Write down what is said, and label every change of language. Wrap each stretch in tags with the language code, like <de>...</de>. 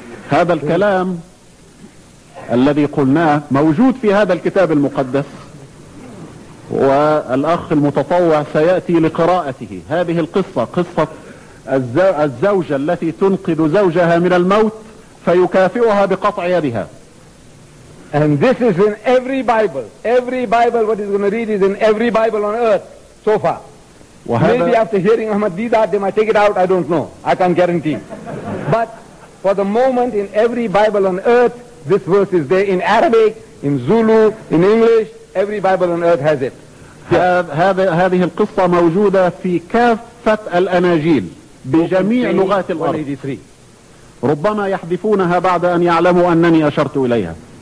<ar>هذا الكلام الذي قلناه موجود في هذا الكتاب المقدس، والأخ المتطوع سيأتي لقراءته. هذه القصة، قصة الزوجة التي تنقذ زوجها من الموت فيكافئها بقطع يدها.</ar> <en>And this is in every Bible. Every Bible, what he's going to read is in every Bible on earth so far. Maybe after hearing Ahmadiyya, they might take it out, I don't know. I can't guarantee. But for the moment, in every Bible on earth, this verse is there in Arabic, in Zulu, in English. Every Bible on earth has it.</en> <ar>هذه القصة موجودة في كافة الأناجيل بجميع لغات الأرض. ربما يحذفونها بعد أن يعلموا أنني أشرت إليها.</ar>